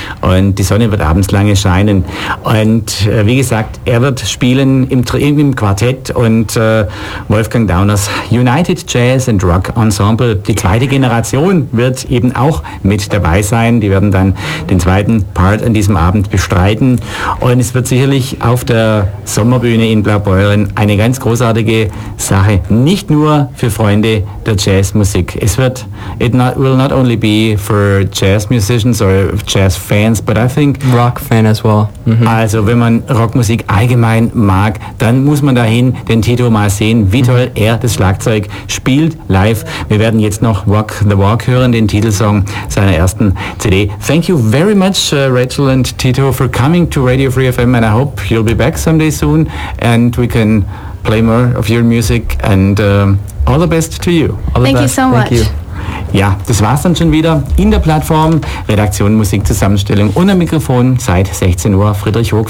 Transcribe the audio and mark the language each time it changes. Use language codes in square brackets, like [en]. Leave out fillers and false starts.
[de] Und die Sonne wird abends lange scheinen. Und wie gesagt, er wird spielen im Quartett und Wolfgang Dauners United Jazz and Rock Ensemble. Die zweite Generation wird eben auch mit dabei sein. Die werden dann den zweiten Part an diesem Abend bestreiten. Und es wird sicherlich auf der Sommerbühne in Blaubeuren eine ganz großartige Sache. Nicht nur für Freunde der Jazzmusik. [en] It will not only be for jazz musicians or jazz fans, but I think rock fan as well. Mm-hmm. [de] Also wenn man Rockmusik allgemein mag, dann muss man dahin den Tito mal sehen, wie toll er das Schlagzeug spielt live. Wir werden jetzt noch Walk the Walk hören, den Titelsong seiner ersten CD. [en] Thank you very much, Rachel and Tito, for coming to Radio Free FM, and I hope you'll be back someday soon and we can play more of your music and all the best to you. Thank you so much. [de] Ja, das war's dann schon wieder in der Plattform. Redaktion Musik Zusammenstellung und am Mikrofon seit 16 Uhr Friedrich Hoog.